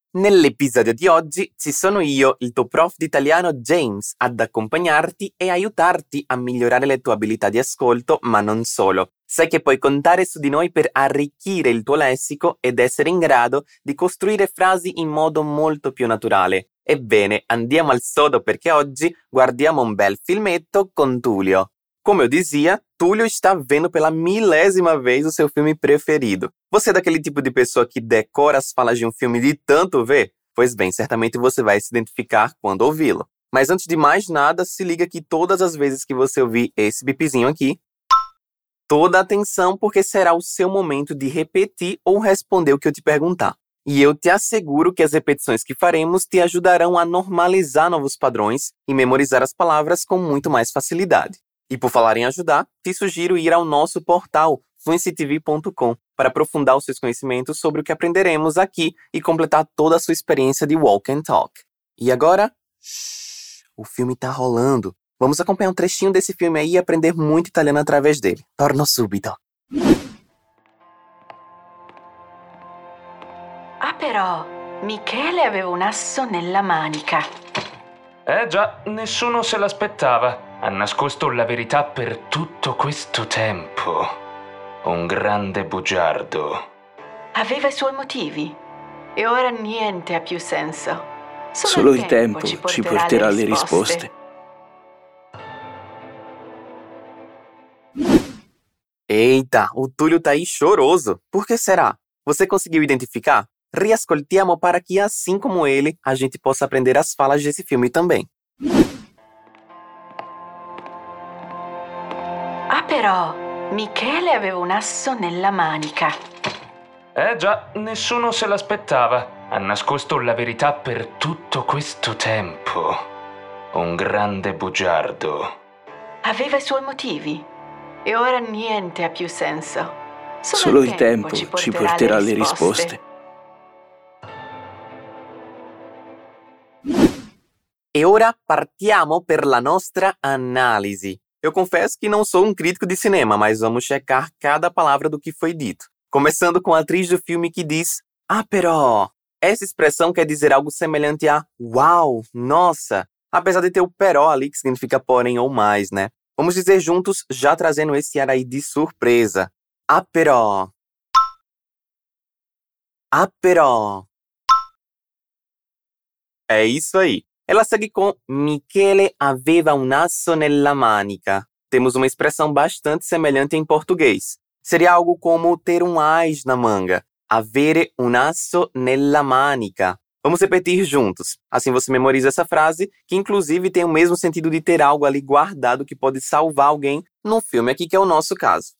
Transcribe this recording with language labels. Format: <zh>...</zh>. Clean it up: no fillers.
<it>Nell'episodio di oggi ci sono io, il tuo prof di italiano James, ad accompagnarti e aiutarti a migliorare le tue abilità di ascolto, ma non solo. Sai che puoi contare su di noi per arricchire il tuo lessico ed essere in grado di costruire frasi in modo molto più naturale. Ebbene, andiamo al sodo perché oggi guardiamo un bel filmetto con Tullio.</it> <pt>Come eu dizia, Tullio está vendo pela milésima vez o seu filme preferido. Você é daquele tipo de pessoa que decora as falas de um filme de tanto ver? Pois bem, certamente você vai se identificar quando ouvi-lo. Mas antes de mais nada, se liga que todas as vezes que você ouvir esse bipzinho aqui, toda atenção porque será o seu momento de repetir ou responder o que eu te perguntar. E eu te asseguro que as repetições que faremos te ajudarão a normalizar novos padrões e memorizar as palavras com muito mais facilidade. E por falar em ajudar, te sugiro ir ao nosso portal fluencytv.com para aprofundar os seus conhecimentos sobre o que aprenderemos aqui e completar toda a sua experiência de walk and talk. E agora? Shhh, o filme está rolando. Vamos acompanhar um trechinho desse filme aí e aprender muito italiano através dele.</pt> <it>Torno subito. Ah, però, Michele aveva un asso nella manica. Già, nessuno se l'aspettava. Ha nascosto la verità per tutto questo tempo. Un grande bugiardo. Aveva i suoi motivi. E ora niente ha più senso. Solo il tempo ci porterà le risposte.</it> <pt>Eita, o Tullio tá aí choroso. Por que será? Você conseguiu identificar?</pt> <it>Riascoltiamo</it> <pt>para que, assim como ele, a gente possa aprender as falas desse filme também.</pt> <it>Ah, però, Michele aveva un asso nella manica. Già, nessuno se l'aspettava. Ha nascosto la verità per tutto questo tempo. Un grande bugiardo. Aveva i suoi motivi. E ora niente ha più senso. Solo il tempo ci porterà le risposte. E ora partiamo per la nostra analisi.</it> <pt>Eu confesso que não sou um crítico de cinema, mas vamos checar cada palavra do que foi dito. Começando com a atriz do filme que diz,</pt> <it>ah, però.</it> <pt>Essa expressão quer dizer algo semelhante a, uau, nossa. Apesar de ter o però ali, que significa porém ou mais, né? Vamos dizer juntos, já trazendo esse ar aí de surpresa.</pt> <it>Ah, però. Ah, però.</it> <pt>É isso aí. Ela segue com</pt> <it>Michele aveva un asso nella manica.</it> <pt>Temos uma expressão bastante semelhante em português. Seria algo como ter um as na manga.</pt> <it>Avere un asso nella manica.</it> <pt>Vamos repetir juntos. Assim você memoriza essa frase, que inclusive tem o mesmo sentido de ter algo ali guardado que pode salvar alguém num filme aqui que é o nosso caso.</pt>